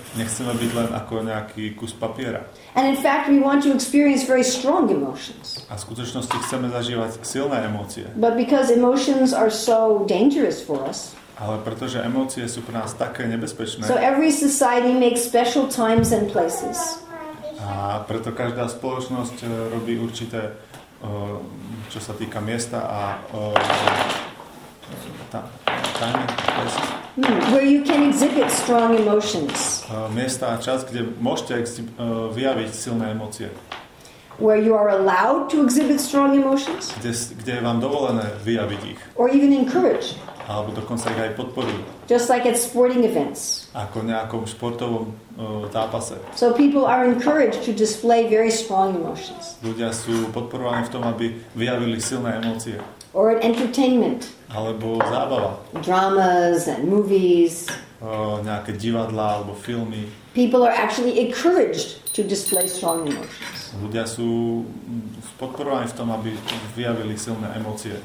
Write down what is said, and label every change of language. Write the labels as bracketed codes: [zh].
[sk] Nechceme byť len ako nejaký kus papiera. [en] And in fact, we want to experience very strong emotions. [sk] A v skutočnosti chceme zažívať silné emócie. [en] But because emotions are so dangerous for us, [sk] ale pretože emócie sú pre nás také nebezpečné, [en] so every society makes special times and places. [sk] A preto každá spoločnosť robí určité čo sa týka miesta a tajné places. [en] Where you can exhibit strong emotions. [sk] Miesta a čas, kde môžete vyjaviť silné emócie. [en] Where you are allowed to exhibit strong emotions. [sk] Kde je vám dovolené vyjaviť ich. [en] Or even encouraged. [sk] Alebo dokonca ich aj podporiť. [en] Just like at sporting events. [sk] Ako nejakom športovom zápase. [en] So people are encouraged to display very strong emotions. [sk] Ľudia sú podporovaní v tom, aby vyjavili silné emócie. [en] Or at entertainment. [sk] Alebo zábava. [en] Dramas and movies. [sk] Nejaké divadlá alebo filmy. [en] People are actually encouraged to display strong emotions. [sk] Ľudia sú podporovaní v tom, aby vyjavili silné emócie.